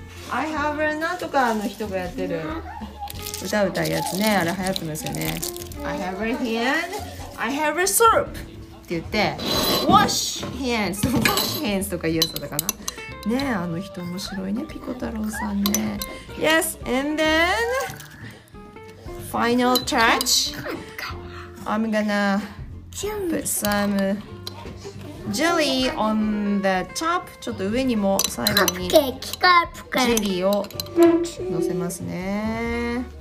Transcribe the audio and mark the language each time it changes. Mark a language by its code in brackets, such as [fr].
[en] I have a [ja] なんとかの人がやってる歌うたやつね、あれ流行ってますよね。 [en] I have a hand. I have a soap. [ja] って言って [en] wash hands [ja] とか言うそうだかな。ねえ、あの人面白いね、ピコ太郎さんね。 [en] Yes, and then final touch, I'm gonna put some jelly on the top. [ja] ちょっと上にも最後にジェリーを乗せますね。